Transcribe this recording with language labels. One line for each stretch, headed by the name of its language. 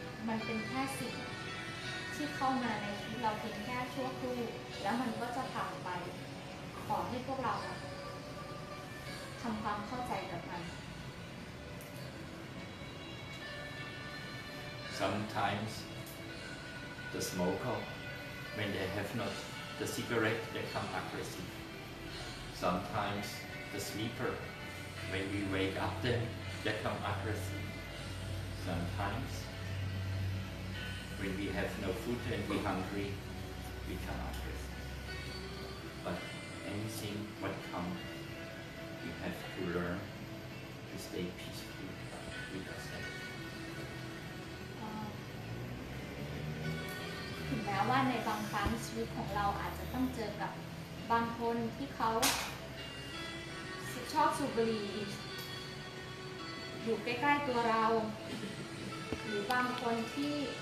Thai: มันเป็นแค่สิ่งที่เข้ามาในชีวิตเราเพียงแค่ชั่วครู่แล้วมันก็จะผ่านไปขอให้พวกเราทำความเข้าใจกับมัน
English: Sometimes the smoker when they have not the cigarette they come aggressive. Sometimes the sleeper when we wake up them they come aggressive. Sometimes, when we have no food and we're hungry, we come aggressive. But anything what comes, we have to learn to stay peaceful with ourselves.
Thai: ถึงแม้ว่าในบางครั้งชีวิตของเราอาจจะต้องเจอกับบางคนที่เขาชอบสูบบุหรี่อยู่ใกล้ๆตัวเราหรือบางคนที่